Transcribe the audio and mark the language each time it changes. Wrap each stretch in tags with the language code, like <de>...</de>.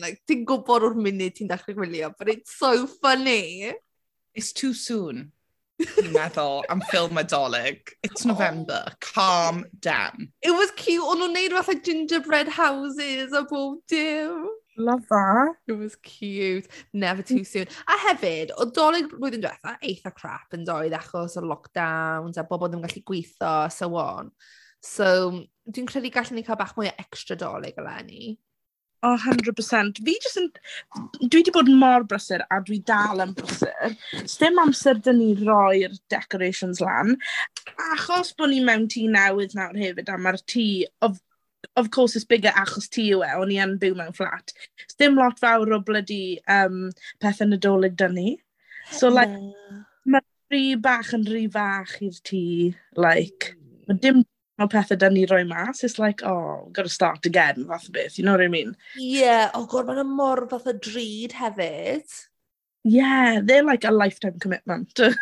<cy>Like, ti'n gwybod o'r munud ti'n dechrau gwylio,</cy> <en>but it's so funny. It's too soon,</en> <cy>ti'n meddwl, am ffilm Nadolig.</cy> <en>It's November, calm down. It was cute,</en> <cy>o'n nhw'n neud fath</cy> <en>like gingerbread houses</en> <cy>a bob dim.</cy> <en>Love that. It was cute, never too soon.</en> <cy>A hefyd, o Nadolig blwyddyn diwetha, eitha crap yn doedd achos o lockdowns a bobl ddim yn gallu gweithio, so on. So, dwi'n credu gallwn ni cael bach mwy o extra Nadolig eleni. Oh, 100%. Fi jyst yn... Dwi wedi bod mor brysur a dwi dal yn brysur. Ddim amser dyn ni roi'r decorations lan. Achos bod ni mewn tŷ newydd nawr hefyd a mae'r tŷ,</cy> <en>of course, is bigger</en> <cy>achos tŷ yw e, o'n I yn byw mewn flat. Ddim lot fawr o blydi pethau Nadolig dyn ni. So, like, mae'r rhi bach yn rhi fach i'r tŷ. Like, mae dim... Mae pethau dyn ni roi mas,</cy> <en>it's like, oh, gotta start again,</en> <cy>fath o beth,</cy> <en>you know what I mean?</en> <cy>Yeah, oh god, mae'n mor fath o dryd hefyd.</cy> <en>Yeah, they're like a lifetime commitment.</en>